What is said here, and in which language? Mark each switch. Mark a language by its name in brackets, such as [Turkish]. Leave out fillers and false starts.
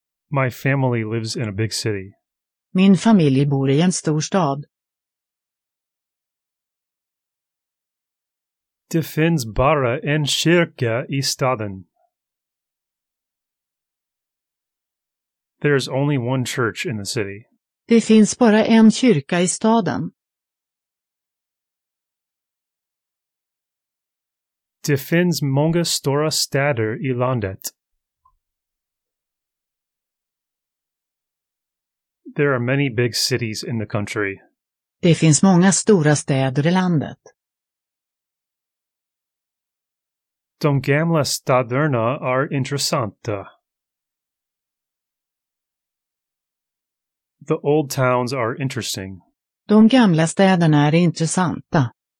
[English] My family lives in a big city. [Swedish] Min familj bor i en stor stad. Det finns bara en kyrka i staden. [English] There is only one church in the city. [Swedish] Det finns bara en kyrka i staden. Det finns många stora städer i landet. [English] There are many big cities in the country. [Swedish] Det finns många stora städer i landet. De gamla städerna är intressanta. [English] The old towns are interesting. [Swedish] De gamla städerna är intressanta.